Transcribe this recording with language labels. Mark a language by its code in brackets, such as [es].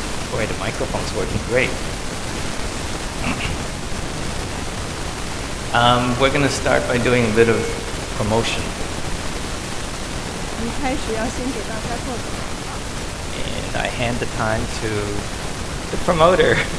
[en] Boy, the microphone's working great. We're going to start by doing a bit of promotion. [zh] 一开始要先给大家做。 [en] And I hand the time to the promoter.